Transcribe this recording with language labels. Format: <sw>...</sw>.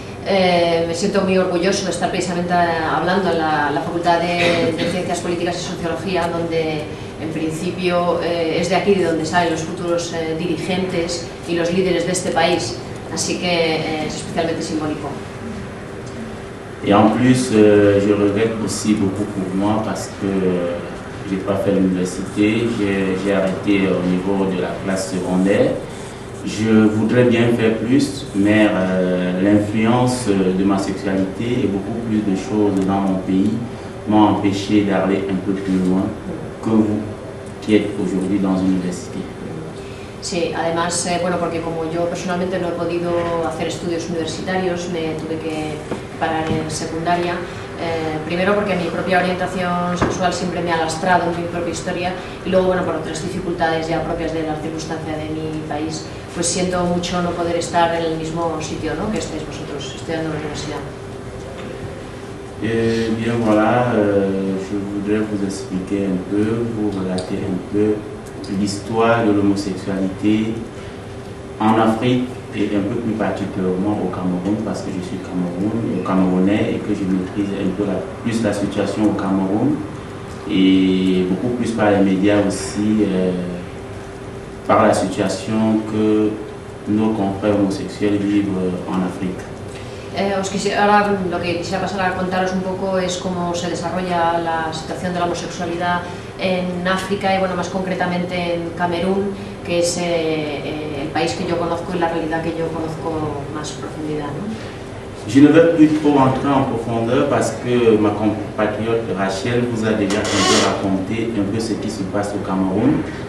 <es>Me siento muy orgulloso de estar precisamente hablando en la Facultad de Ciencias Políticas y Sociología, donde en principio es de aquí de donde salen los futuros dirigentes y los líderes de este país, así que es especialmente simbólico.</es> <fr>Y en plus, je regrette aussi beaucoup pour moi parce que j'ai pas fait l'université, j'ai arrêté au niveau de la classe secondaire. Je voudrais bien faire plus, mais l'influence de ma sexualité et beaucoup plus de choses dans mon pays m'ont empêché d'aller un peu plus loin que vous qui êtes aujourd'hui dans une université.</fr> <es>Sí, además, bueno, porque como yo personalmente no he podido hacer estudios universitarios, me tuve que parar en secundaria. Primero porque mi propia orientación sexual siempre me ha lastrado en mi propia historia y luego, bueno, por otras dificultades ya propias de la circunstancia de mi país, pues siento mucho no poder estar en el mismo sitio, ¿no?, que estáis vosotros estudiando en la universidad.</es> <fr>Bien, voilà, je voudrais vous expliquer un peu, vous relater un peu l'histoire de l'homosexualité en Afrique et un peu plus particulièrement au Cameroun, parce que je suis camerounais et que je maîtrise un peu plus la situation au Cameroun et beaucoup plus par les médias aussi, par la situation que nos confrères homosexuels vivent en Afrique.</fr> <es>Ahora lo que quisiera pasar a contaros un poco es cómo se desarrolla la situación de la homosexualidad en África y, bueno, más concretamente en Camerún, que es el país que yo conozco y la realidad que yo conozco más profundidad, ¿no?</es> <fr>Je ne vais plus trop entrer en profondeur parce que ma compatriote Rachel vous a déjà raconté un peu ce qui se passe au Cameroun.</fr>